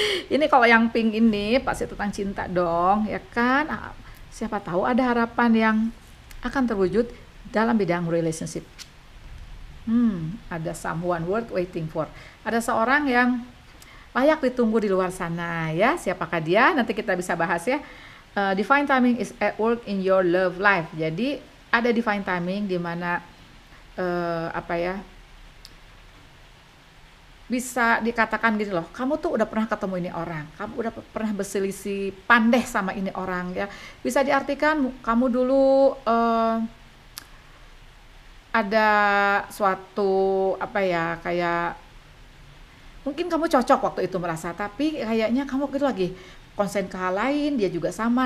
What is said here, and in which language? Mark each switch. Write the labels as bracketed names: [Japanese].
[Indonesian] Ini kalau yang pink ini pasti tentang cinta dong, ya kan? Siapa tahu ada harapan yang akan terwujud dalam bidang relationship. Ada [English] someone worth waiting for. [Indonesian] Ada seorang yang layak ditunggu di luar sana ya. Siapakah dia? Nanti kita bisa bahas ya. [English] Divine timing is at work in your love life. [Indonesian] Jadi ada divine timing di mana apa ya, bisa dikatakan gini loh, kamu tuh udah pernah ketemu ini orang, kamu udah pernah berselisih pandeh sama ini orang ya. Bisa diartikan kamu dulu ada suatu apa ya, kayak mungkin kamu cocok waktu itu merasa, tapi kayaknya kamu gitu lagi konsen ke hal lain, dia juga sama.